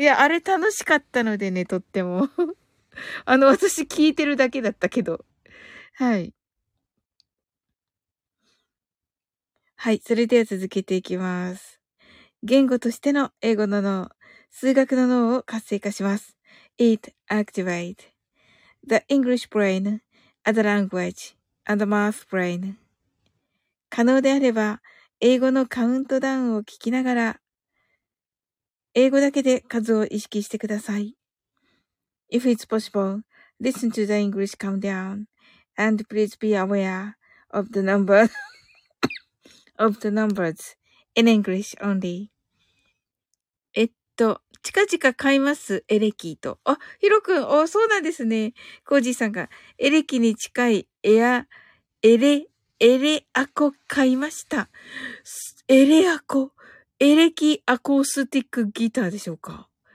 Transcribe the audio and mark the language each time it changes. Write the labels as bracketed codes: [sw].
[ja] いや、あれ楽しかったのでね、とっても。私聞いてるだけだったけど。はい。はい、それでは続けていきます。言語としての英語の脳。数学の脳を活性化します。 [en] It activates the English brain and the language and the math brain. [ja] 可能であれば、英語のカウントダウンを聞きながら、英語だけで数を意識してください。 [en] If it's possible, listen to the English countdown and please be aware of the number of the numbers in English only. [ja] 近々買いますエレキと、あ、ヒロ君、お、そうなんですね。コージーさんがエレキに近いエレアコ買いました。エレアコ、エレキアコースティックギターでしょうか。